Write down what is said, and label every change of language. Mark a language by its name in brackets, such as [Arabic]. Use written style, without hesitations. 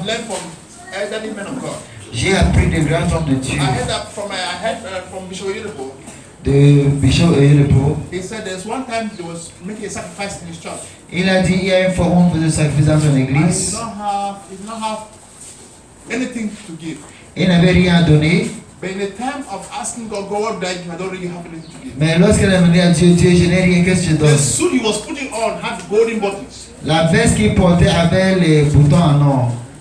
[English] I've learned from elderly men of God. [French] J'ai appris des grands hommes de Dieu. [English] I heard from Bishop Oyedepo. [French] De Bishop Oyedepo. [English] He said there's one time he was making a sacrifice in his church. [French] Il a dit il y a une fois où on faisait un sacrifice dans son église. [English] He did not have anything to give. [French] Il n'avait rien à donner. [English] But in the time of asking God, God died, he had already have anything to give. [French] Mais lorsqu'il a demandé à Dieu, je n'ai rien, qu'est-ce que je donne? [English] The suit he was putting on had golden buttons. [French] La veste qu'il portait avait les boutons en or.